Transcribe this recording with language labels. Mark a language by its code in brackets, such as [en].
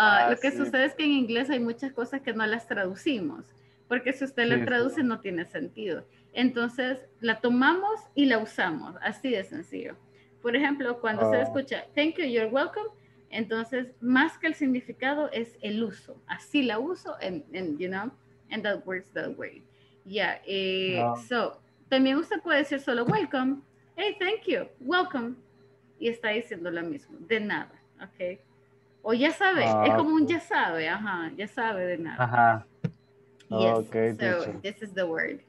[es] Lo que sucede es que en inglés hay muchas cosas que no las traducimos, porque si usted las traduce no tiene sentido. Entonces, la tomamos y la usamos, así de sencillo. Por ejemplo, cuando se escucha, [en] thank you, you're welcome, [es] Entonces, más que el significado es el uso. Así la uso, [en] you know, and that works that way. [es] Yeah, so, también usted puede decir solo welcome. [en] Hey, thank you, welcome. [es] Y está diciendo lo mismo, de nada, ok. O ya sabe, es como un ya sabe, ajá, ya sabe de nada. Ajá. [en] Yes, okay, so teacher. This is the word.